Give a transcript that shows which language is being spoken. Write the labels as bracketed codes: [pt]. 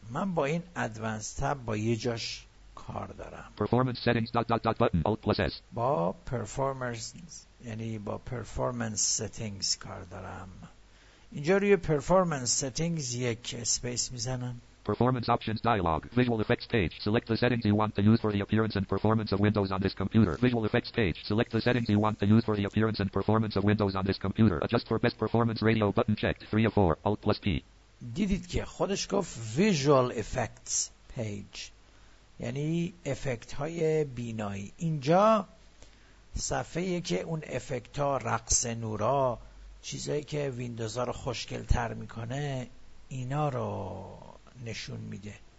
[fa] من با این advanced tab با یه جاش کار دارم. [en] Performance settings dot dot dot button alt plus s. [fa] با performance یعنی با performance settings کار دارم. اینجا روی performance settings یک اسپیس میزنم. [en] Performance options dialog. Visual effects page. Select the settings you want to use for the appearance and performance of Windows on this computer. Visual effects page. Select the settings you want to use for the appearance and performance of Windows on this computer. Adjust for best performance radio button checked. 3 of 4. Alt plus P. [fa] دیدید که خودش گفت [en] visual effects page. [fa] یعنی افکت های بینایی. اینجا صفحه‌ای که اون افکت ها رقص نورا چیزایی که ویندوزا رو خوشگل تر میکنه اینا رو نشون میده.